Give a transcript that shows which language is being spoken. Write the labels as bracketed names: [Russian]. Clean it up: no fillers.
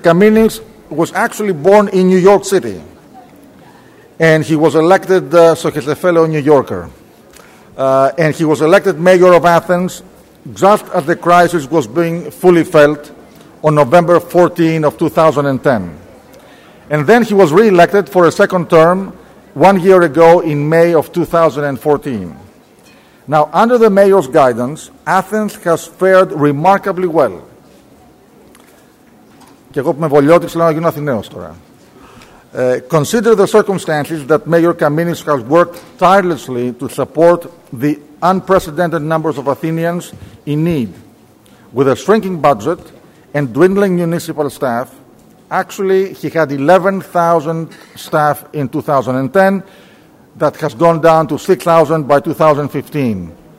[English] Kaminis was actually born in New York City, and he was elected, so he's a fellow New Yorker, and he was elected mayor of Athens just as the crisis was being fully felt on November 14 of 2010. And then he was re-elected for a second term 1 year ago in May of 2014. Now, under the mayor's guidance, Athens has fared remarkably well. [Greek] Και εγώ που είμαι Βολιώτης, λέω να γίνω Αθηναίος τώρα. [English] Consider the circumstances that Mayor Kaminis has worked tirelessly to support the unprecedented numbers of Athenians in need, with a shrinking budget and dwindling municipal staff. Actually, he had 11,000 staff in 2010, that has gone down to 6,000 by 2015.